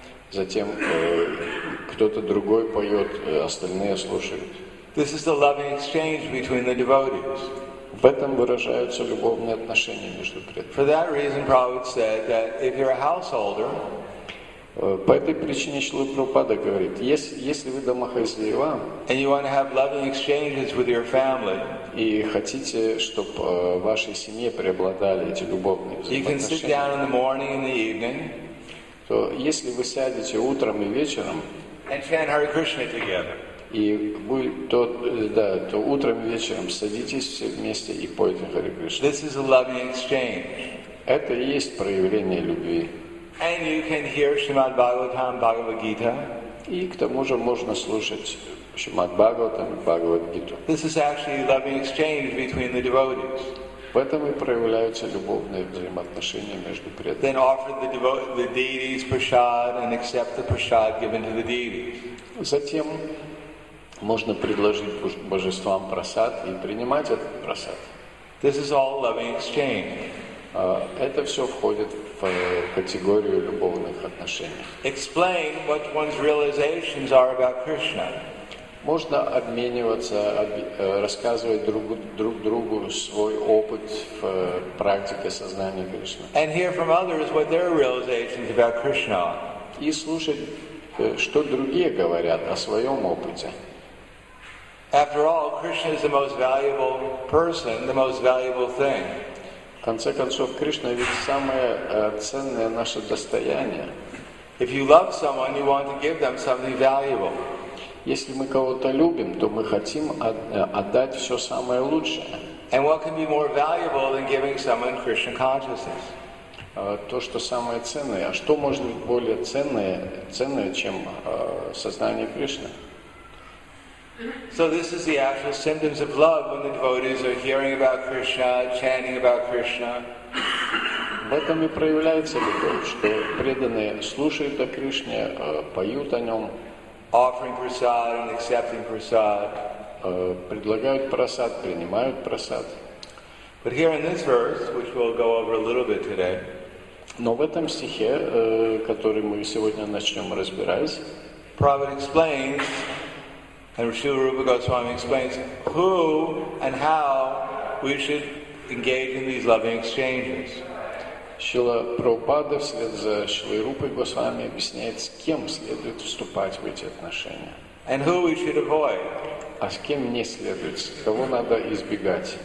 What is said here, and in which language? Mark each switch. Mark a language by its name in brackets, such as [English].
[Russian] Затем кто-то другой поет, остальные слушают. [English] This is the loving exchange between the devotees. [Russian] В этом выражаются любовные отношения между преданными. [English] For that reason, Prabhupada said that if you're a householder, [Russian] по этой причине Шрила Прабхупада говорит, если вы домохозяева, [English] and you want to have loving exchanges with your family, [Russian] и хотите, чтобы в вашей семье преобладали эти любовные отношения, [English] you can sit down in the morning and the evening, [Russian] то если вы сядете утром и вечером, [English] and chant Hare Krishna together. [Russian] И вы то утром и вечером садитесь все вместе и пойте Харе Кришна. [English] This is a loving exchange. [Russian] Это и есть проявление любви. [English] And you can hear Shrimad Bhagavatam, Bhagavad Gita. [Russian] И к тому же можно слушать Шримад Бхагаватам и Бхагавад Гиту. [English] This is actually a loving exchange between the devotees. [Russian] В этом и проявляются любовные взаимоотношения между преданными. [English] Then offer the deities prasad and accept the prasad given to the deities. [Russian] Затем можно предложить божествам просад и принимать этот просад. [English] This is all loving exchange. [Russian] Это все входит в категорию любовных отношений. [English] Explain what one's realizations are about Krishna. [Russian] Можно обмениваться, рассказывать друг другу свой опыт в практике сознания Кришны. [English] And hear from others what their realizations about Krishna. [Russian] И слушать, что другие говорят о своем опыте. [English] After all, Krishna is the most valuable person, the most valuable thing. [Russian] В конце концов, Кришна ведь самое ценное наше достояние. [English] If you love someone, you want to give them something valuable. [Russian] Если мы кого-то любим, то мы хотим отдать все самое лучшее. [English] And what can be more valuable than giving someone Krishna consciousness? [Russian] То, что самое ценное. А что может быть более ценное, чем сознание Кришны? [English] So this is the actual symptoms of love when the devotees are hearing about Krishna, chanting about Krishna. [Russian] В этом и проявляется любовь, что преданные слушают о Кришне, поют о нем, [English] offering prasad and accepting prasad. [Russian] Предлагают прасад, принимают прасад. [English] But here in this verse, which we'll go over a little bit today, [Russian] но в этом стихе, который мы сегодня начнем разбирать, [English] Prabhupada explains. And Srila Rupa Goswami explains who and how we should engage in these loving exchanges. [Russian] Шрила Прабхупада вслед за Шрилой Рупой Госвами объясняет, с кем следует вступать в эти отношения. [English] And who we should avoid. [Russian] А с кем не следует, кого надо избегать.